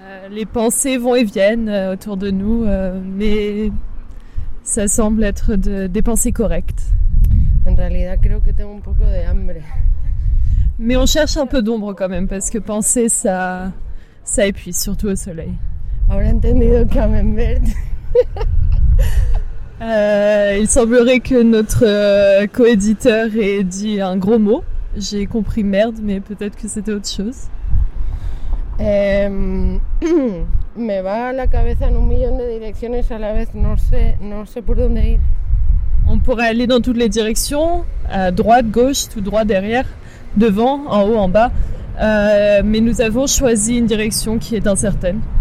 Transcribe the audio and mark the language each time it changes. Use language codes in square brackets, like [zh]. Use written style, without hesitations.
[fr] Les pensées vont et viennent autour de nous, mais ça semble être des pensées correctes. [es] En realidad, creo que tengo un poco de hambre. [fr] Mais on cherche un peu d'ombre quand même, parce que penser, ça épuise, surtout au soleil. [es] Ahora he entendido Camembert. [fr] Il semblerait que notre coéditeur ait dit un gros mot. J'ai compris merde, mais peut-être que c'était autre chose. [es] Me va la cabeza en un millón de direcciones a la vez. No sé por dónde ir. [fr] On pourrait aller dans toutes les directions, à droite, gauche, tout droit, derrière, devant, en haut, en bas. Mais nous avons choisi une direction qui est incertaine.